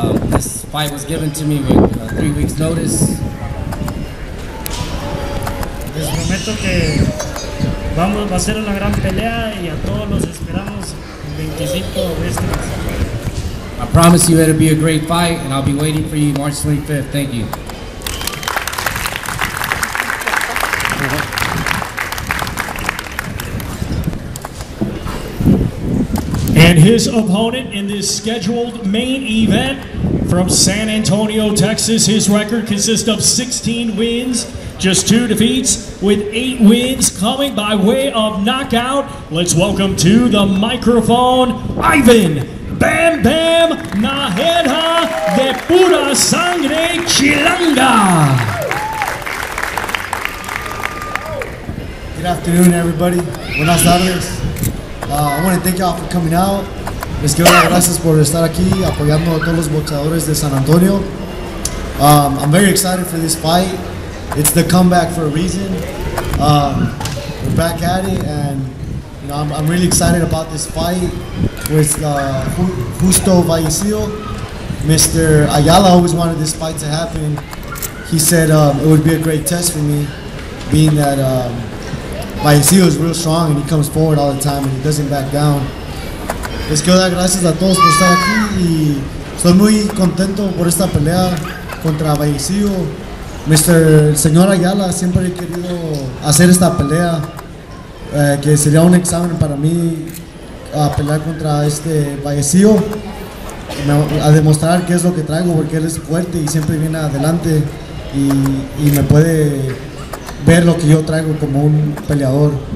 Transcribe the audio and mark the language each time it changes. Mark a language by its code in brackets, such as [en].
[en] This fight was given to me with 3 weeks' notice. [es] Les prometo que vamos va a ser una gran pelea y a todos los esperamos el 25 de este mes. [en] I promise you it'll be a great fight, and I'll be waiting for you March 25th. Thank you. And his opponent in this scheduled main event from San Antonio, Texas. His record consists of 16 wins, just 2 defeats, with 8 wins coming by way of knockout. Let's welcome to the microphone, Ivan Bam Bam Najera de Pura Sangre Chilanga. Good afternoon, everybody. [es] Buenas tardes. [en] I want to thank y'all for coming out. [es] Les quiero dar gracias por estar aquí apoyando a todos los boxeadores de San Antonio. [en] I'm very excited for this fight. It's the comeback for a reason. We're back at it, and you know I'm really excited about this fight with Justo Vallecillo. Mr. Ayala always wanted this fight to happen. He said it would be a great test for me, being that Vallecillo is real strong and he comes forward all the time and he doesn't back down. [es] Les quiero dar gracias a todos por estar aquí y estoy muy contento por esta pelea contra Vallecillo. Mr. Señor Ayala, siempre he querido hacer esta pelea, que sería un examen para mí a pelear contra este Vallecillo, a demostrar qué es lo que traigo, porque él es fuerte y siempre viene adelante y me puede ver lo que yo traigo como un peleador.